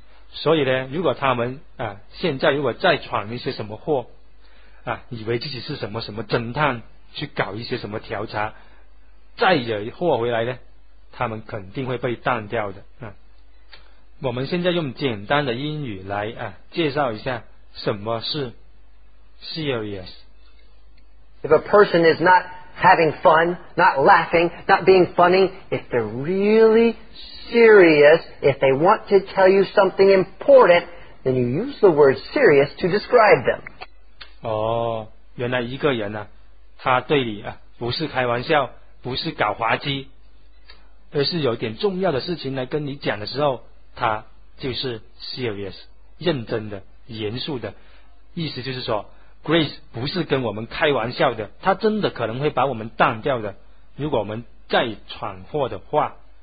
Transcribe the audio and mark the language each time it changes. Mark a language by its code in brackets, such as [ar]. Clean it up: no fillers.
[zh] 所以呢，如果他们啊现在如果再闯一些什么祸，啊，以为自己是什么什么侦探。去搞一些什么调查，再惹祸回来呢？他们肯定会被淡掉的。我们现在用简单的英语来介绍一下什么是 serious。 [en] If a person is not having fun, not laughing, not being funny, if they're really serious, if they want to tell you something important, then you use the word serious to describe them. [zh] 哦，原来一个人他对你不是开玩笑，不是搞滑稽，而是有点重要的事情来跟你讲的时候，他就是 serious， 认真的，严肃的。意思就是说Grace 不是跟我们开玩笑的，他真的可能会把我们当掉的，如果我们再闯祸的话。